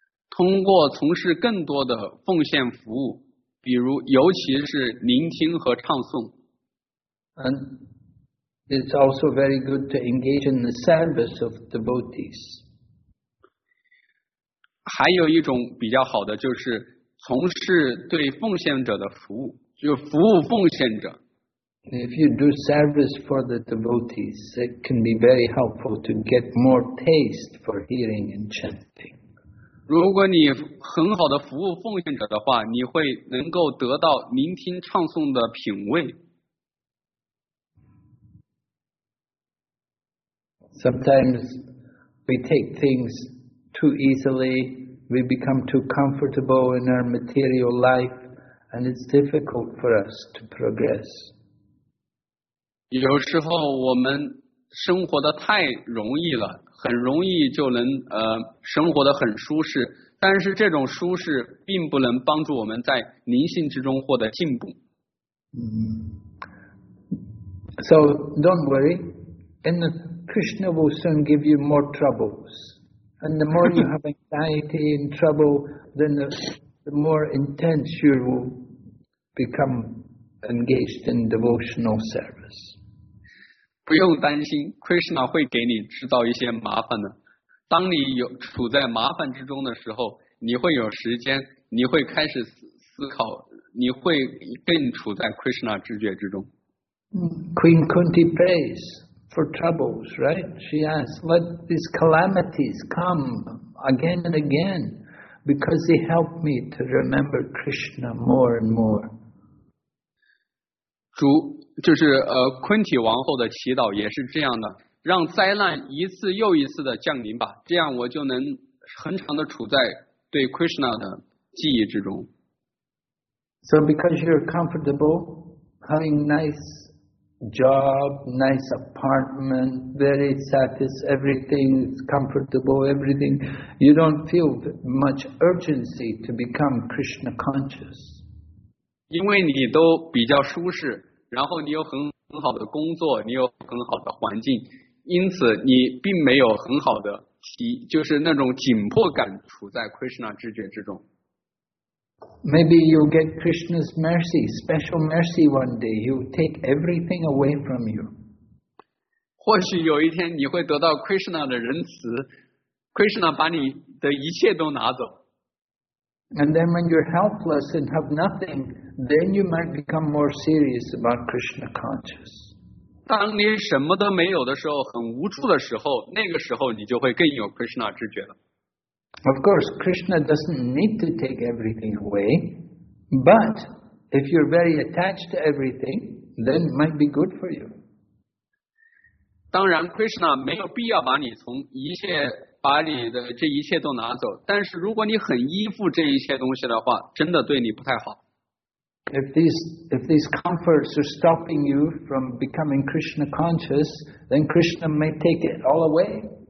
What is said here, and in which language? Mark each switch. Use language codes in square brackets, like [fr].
[zh] 通过从事更多的奉献服务。比如尤其是聆听和唱诵。 [en] And it's also very good to engage in the service of devotees. [zh] 还有一种比较好的就是从事对奉献者的服务，就服务奉献者。 [en] If you do service for the devotees, it can be very helpful to get more taste for hearing and chanting. [zh] 如果你很好的服务奉献者的话，你会能够得到聆听唱诵的品味。 [en] Sometimes we take things too easily, we become too comfortable in our material life, and it's difficult for us to progress. [zh] 有时候我们生活的太容易了。很容易就能生活得很舒适，但是这种舒适并不能帮助我们在灵性之中获得进步。 [en] So don't worry, and Krishna will soon give you more troubles. And the more you have anxiety and trouble, then the more intense you will become engaged in devotional service. [zh] 不用担心 ，Krishna 会给你制造一些麻烦的。当你有处在麻烦之中的时候，你会有时间，你会开始思考，你会更处在 Krishna 知觉之中。 [en] Queen Kunti prays for troubles, right? She asks, "Let these calamities come again and again, because they help me to remember Krishna more and more." [zh] 主。就是昆体王后的祈祷也是这样的，让灾难一次又一次的降临吧，这样我就能恒常的处在对 Krishna 的记忆之中。 [en] So because you're comfortable, having nice job, nice apartment, very satisfied, everything is comfortable, everything, you don't feel much urgency to become Krishna conscious. [zh] 因为你都比较舒适。然后你有很好的工作，你有很好的环境，因此你并没有很好的就是那种紧迫感处在 Krishna 知觉之中。 [en] Maybe you'll get Krishna's mercy, special mercy one day. He'll take everything away from you. [zh] 或许有一天你会得到 Krishna 的仁慈， Krishna 把你的一切都拿走。 [en] And then when you're helpless and have nothing, then you might become more serious about Krishna conscious. [zh] 当你什么都没有的时候，很无助的时候，那个时候你就会更有 Krishna 知觉了。 [en] Of course, Krishna doesn't need to take everything away, but if you're very attached to everything, then it might be good for you. [zh] 当然 Krishna 没有必要把你从一切把你的这一切都拿走，但是如果你很依附这一切东西的话，真的对你不太好。 [en] If these comforts are stopping you from becoming Krishna conscious, then Krishna may take it all away.